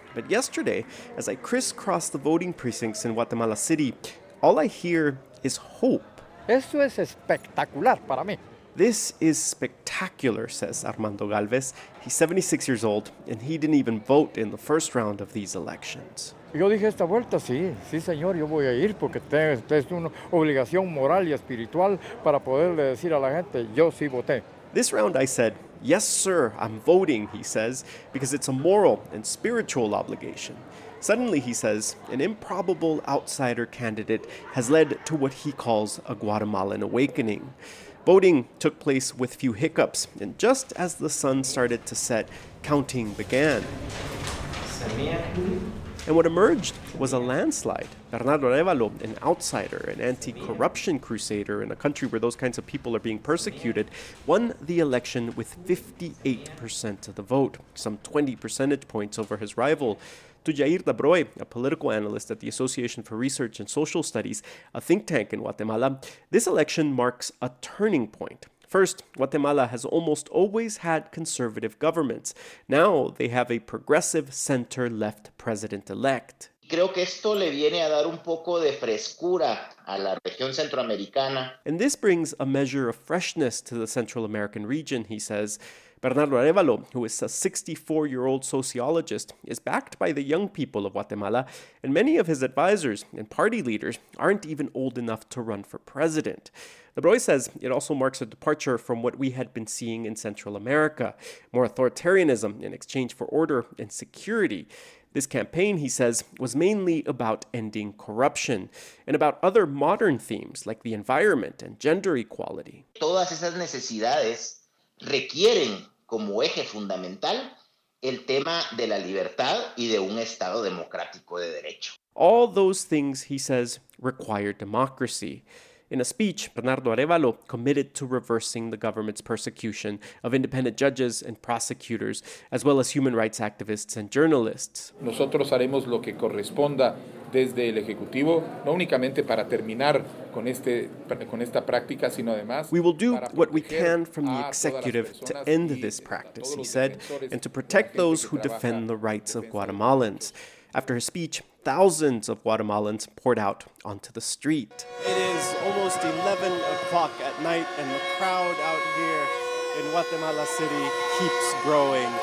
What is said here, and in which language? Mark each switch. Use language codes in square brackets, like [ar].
[en] But yesterday, as I crisscrossed the voting precincts in Guatemala City, all I hear is hope. [es] Esto es espectacular para mí. [en] This is spectacular, says Armando Galvez. He's 76 years old, and he didn't even vote in the first round of these elections. [es] Yo dije esta vuelta, sí, sí, señor, yo voy a ir porque es una obligación moral y espiritual para poderle decir a la gente, yo sí voté. [en] This round I said, yes, sir, I'm voting, he says, because it's a moral and spiritual obligation. Suddenly, he says, an improbable outsider candidate has led to what he calls a Guatemalan awakening. Voting took place with few hiccups, and just as the sun started to set, counting began. And what emerged was a landslide. Bernardo Arevalo, an outsider, an anti-corruption crusader in a country where those kinds of people are being persecuted, won the election with 58% of the vote, some 20 percentage points over his rival. To Jair Dabroy, a political analyst at the Association for Research and Social Studies, a think tank in Guatemala, this election marks a turning point. First, Guatemala has almost always had conservative governments. Now they have a progressive center-left president-elect. [es] Creo que esto le viene a dar un poco de frescura a la región centroamericana. [en] And this brings a measure of freshness to the Central American region, he says. Bernardo Arevalo, who is a 64-year-old sociologist, is backed by the young people of Guatemala, and many of his advisors and party leaders aren't even old enough to run for president. Lebroy says it also marks a departure from what we had been seeing in Central America, more authoritarianism in exchange for order and security. This campaign, he says, was mainly about ending corruption and about other modern themes like the environment and gender equality. [es] Todas esas necesidades requieren como eje fundamental el tema de la libertad y de un Estado democrático de derecho. [en] All those things, he says, require democracy. In a speech, Bernardo Arevalo committed to reversing the government's persecution of independent judges and prosecutors, as well as human rights activists and journalists. [es] Nosotros haremos lo que corresponda desde el Ejecutivo, no únicamente para terminar con esta práctica, sino además... [en] We will do what we can from the Executive to end this practice, he said, and to protect those who defend the rights of Guatemalans. After his speech, thousands of Guatemalans poured out onto the street. It is almost 11 o'clock at night, and the crowd out here in Guatemala City keeps growing.